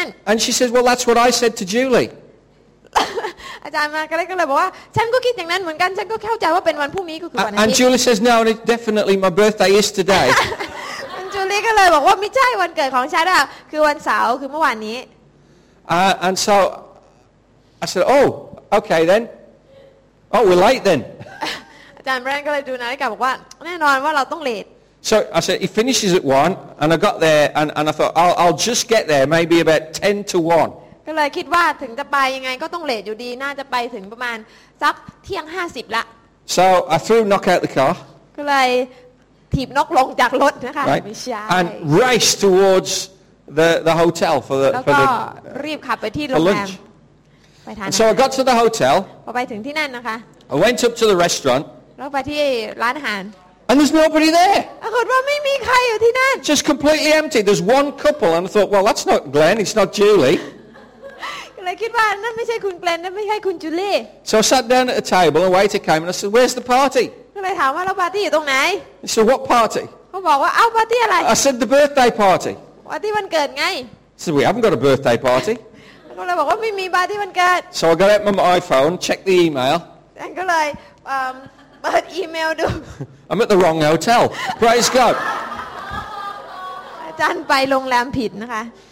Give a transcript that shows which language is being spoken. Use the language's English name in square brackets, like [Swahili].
[English] And she says, well, that's what I said to Julie. [Thai] อาจารย์มาก็เลยบอกว่าฉันก็คิดอย่างนั้นเหมือนกันฉันก็เข้าใจว่าเป็นวันพรุ่งนี้ก็คือวันอาทิตย์ [English] And Julie says no it's definitely my birthday is today [Thai] And Julie ก็เลยบอกว่าไม่ใช่วันเกิดของฉันอ่ะคือวันเสาร์คือเมื่อวานนี้ [English] and so I said oh okay then oh we're late then [Thai] อาจารย์แบรนก็เลยดูนาฬิกาบอกว่าแน่นอนว่าเราต้องเลท [English] So I said it finishes at 1 and I got there and I thought I'll just get there maybe about 10 to 1 [Thai] ก็เลยคิดว่าถึงจะไปยังไงก็ต้องเลทอยู่ดีน่าจะไปถึงประมาณสักเที่ยง50ละ [English] So I threw knock out the car [Thai] ก็เลยถีบนกลงจากรถนะคะ [English] Right and race towards the hotel for the [Thai] แล้วก็รีบขับไปที่โรงแรมไปทาน [English] And so I got to the hotel [Thai] พอไปถึงที่นั่นนะคะ [English] I went up to the restaurant [Thai] แล้วไปที่ร้านอาหาร [English] And there's nobody there [Thai] ปรากฏว่าไม่มีใครอยู่ที่นั่น [English] Just completely empty there's one couple and I thought well that's not Glenn it's not Julie [Thai] เลยคิดว่านั่นไม่ใช่คุณเกรนนั่นไม่ใช่คุณจูเล่ [English] So I sat down at a table and waiter came and I said Where's the party? [Thai] ก็เลยถามว่าเราปาร์ตี้อยู่ตรงไหน [English] So what party? [Thai] เขาบอกว่าเอาปาร์ตี้อะไร [English] I said the birthday party [Thai] ปาร์ตี้วันเกิดไง [English] So we haven't got a birthday party [Thai] ก็เลยบอกว่าไม่มีปาร์ตี้วันเกิด [English] So I got out my iPhone check the email [Thai] ก็เลยเปิดอีเมลดู [English] I'm at the wrong hotel Praise God [Thai] อาจารย์ไปโรงแรมผิดนะคะ